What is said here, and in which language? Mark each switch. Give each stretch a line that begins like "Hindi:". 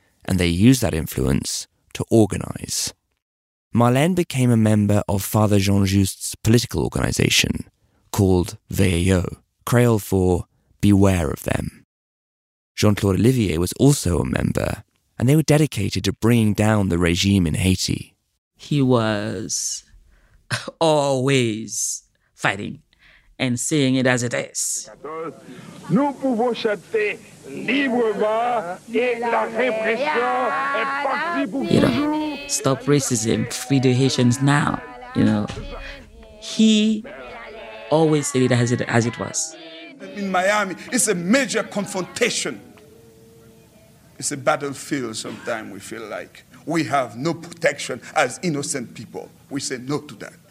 English: And they used that influence to organize. Marlene became a member of Father Jean-Just's political organization called VAO, Creole for Beware of Them. Jean-Claude Olivier was also a member, and they were dedicated to bringing down the regime in Haiti. He was always fighting and seeing it as it is.
French: Nous pouvons chanter librement et la répression est partie pour toujours.
English: You know, stop racism, free the Haitians now, you know. He always said it as it was. In Miami, it's a major confrontation. It's a battlefield sometimes, we feel like. We have no protection as innocent people. We say no to that.